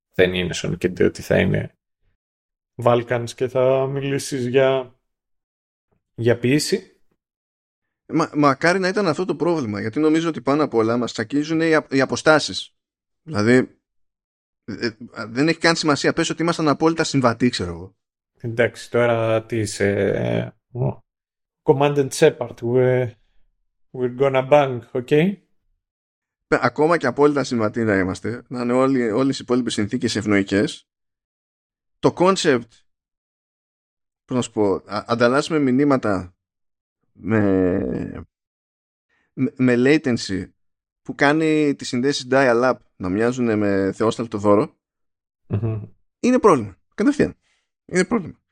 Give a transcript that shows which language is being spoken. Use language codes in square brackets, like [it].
[el] Δεν είναι σαν και ότι θα είναι Βάλκανς και θα μιλήσεις για ποιήση. Μακάρι να ήταν αυτό το πρόβλημα, γιατί νομίζω ότι πάνω απ' όλα μας τσακίζουν οι αποστάσεις. Δηλαδή, δεν έχει καν σημασία, πες ότι ήμασταν απόλυτα συμβατοί, ξέρω εγώ. Εντάξει, τώρα τι είσαι, [en] Commandant Shepard, we're gonna bang, okay? [el] Ακόμα και απόλυτα συμβατοί να είμαστε, να είναι όλες οι υπόλοιπες συνθήκες ευνοϊκές. Το concept, πώς να σου πω, ανταλλάσσουμε μηνύματα με latency που κάνει τις συνδέσεις dial-up να μοιάζουν με θεόσταλτο δώρο, είναι πρόβλημα. Κατευθείαν. Είναι πρόβλημα.